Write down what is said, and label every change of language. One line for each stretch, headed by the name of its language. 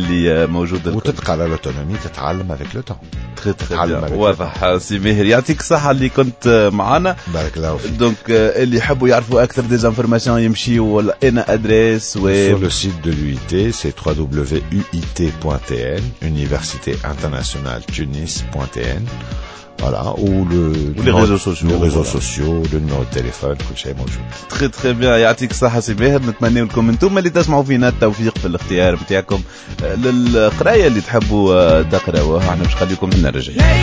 French: l'autonomie, tu t'apprends avec le temps. Très, très bien. Ouais, c'est bien. Il y a un
Arabic: كنت معنا.
French: Donc,
Arabic: اللي حبوا يعرفوا اكثر
French: des informations,
Arabic: يمشيوا لنا ادريس
French: sur le site de l'UIT, c'est www.uit.tn. Université internationale tunis.tn. Voilà, ou le les réseaux sociaux, le numéro de téléphone, que j'ai moi. Très très bien,
Arabic: يعطيك الصحة سي ماهر, نتمنى لكم انتم اللي تسمعوا فينا التوفيق في الاختيار نتاعكم للقراية اللي تحبوا تقراوها, احنا باش نخليكم هنا رجعين.